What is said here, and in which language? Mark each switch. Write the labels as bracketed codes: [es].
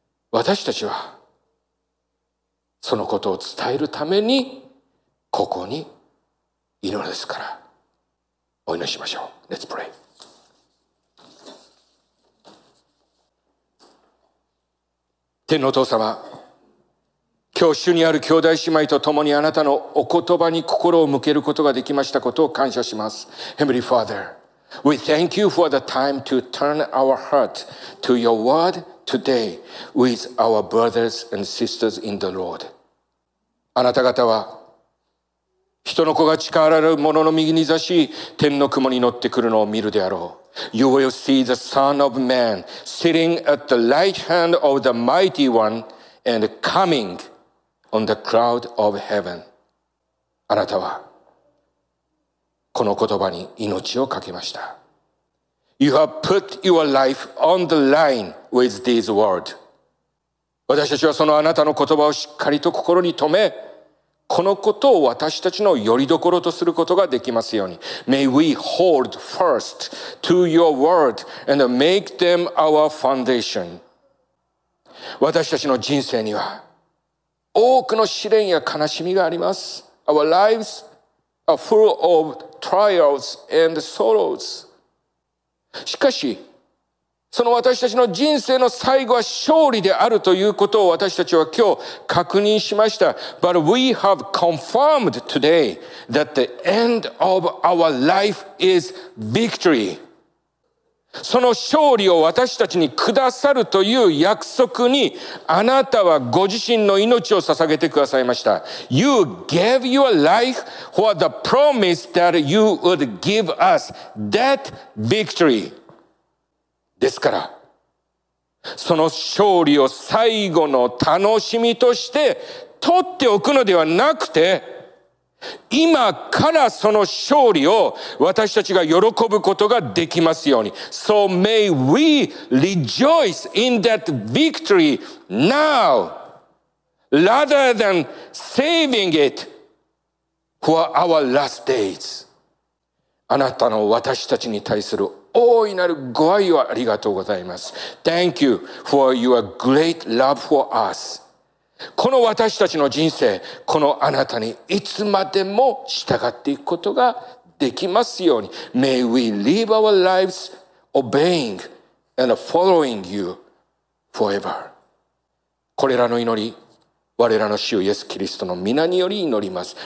[ja] 私たちはそのことを伝えるためにここにいるのですから、お祈りしましょう。 [en] Let's pray。 [ja] 天のお父様、今日主にある兄弟姉妹と共にあなたのお言葉に心を向けることができましたことを感謝します。 [en] Heavenly Father, We thank you for the time to turn our heart to your word today with our brothers and sisters in the Lord. [ja] あなた方は人の子が力ある者の右に座し、天の雲に乗ってくるのを見るであろう。 [en] You will see the Son of Man sitting at the right hand of the Mighty One and coming on the cloud of heaven. [ja] あなたはこの言葉に命をかけました。 [en] You have put your life on the line with this word. [ja] 私たちはそのあなたの言葉をしっかりと心に留め、このことを私たちの拠り所とすることができますように。 [en] May we hold first to your word and make them our foundation. [ja] 私たちの人生には多くの試練や悲しみがあります。 [en] Our lives are full of trials and sorrows. [ja] しかし、その私たちの人生の最後は勝利であるということを私たちは今日確認しました。 [en] But we have confirmed today that the end of our life is victory. [ja] その勝利を私たちにくださるという約束にあなたはご自身の命を捧げてくださいました。 [en] You gave your life for the promise that you would give us that victory. [ja] ですから、その勝利を最後の楽しみとして取っておくのではなくて、今からその勝利を私たちが喜ぶことができますように。 [en] So may we rejoice in that victory now, rather than saving it for our last days. [ja] あなたの私たちに対する大いなるご愛をありがとうございます。 [en] Thank you for your great love for us. [ja] この私たちの人生、このあなたにいつまでも従っていくことができますように。 [en] May we live our lives obeying and following you forever. [ja] これらの祈り、我らの主イエス・キリストの御名により祈ります。